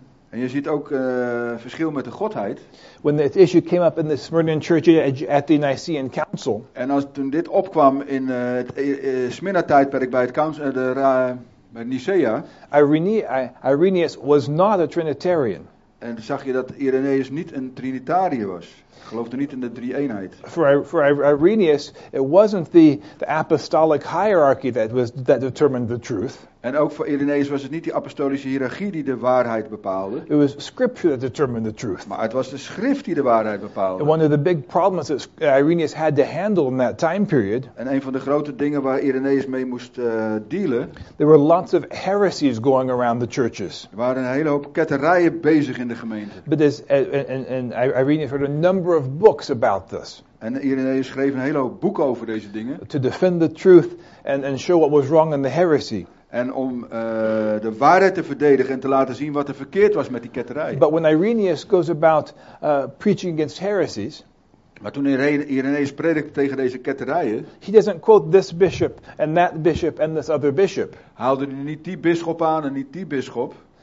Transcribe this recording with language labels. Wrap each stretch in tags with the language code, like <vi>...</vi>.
<nl>En je ziet ook verschil met de Godheid.</nl> <en>When this issue came up in the Smyrna church at the Nicene Council.</en> <nl>En als toen dit opkwam in het Smyrna tijdperk bij het council bij Nicea.</nl> <en>Irenaeus was not a Trinitarian.</en> <nl>En zag je dat Irenaeus niet een Trinitariër was. Geloofde niet in de drie eenheid.</nl> <en>For Irenaeus, it wasn't the apostolic hierarchy that determined the truth.</en> <nl>En ook voor Irenaeus was het niet die apostolische hiërarchie die de waarheid bepaalde.</nl> <en>It was scripture that determined the truth.</en> <nl>Maar het was de schrift die de waarheid bepaalde.</nl> <en>And one of the big problems that Irenaeus had to handle in that time period.</en> <nl>En een van de grote dingen waar Irenaeus mee moest dealen.</nl> <en>There were lots of heresies going around the churches.</en> <nl>Er waren een hele hoop ketterijen bezig in de gemeente.</nl> <en>But Irenaeus wrote a number of books about this.</en> <nl>En Irenaeus schreef een hele hoop boeken over deze dingen.</nl> <en>To defend the truth and show what was wrong in the heresy.</en> <nl>En om de waarheid te verdedigen en te laten zien wat er verkeerd was met die ketterij.</nl> <en>But when Irenaeus goes about preaching against heresies,</en> <nl>maar toen Irenaeus predikt tegen deze ketterijen,</nl> <en>he doesn't quote this bishop and that bishop and this other bishop.</en> <nl>Haalde hij niet die bisschop aan en niet die bisschop?</nl>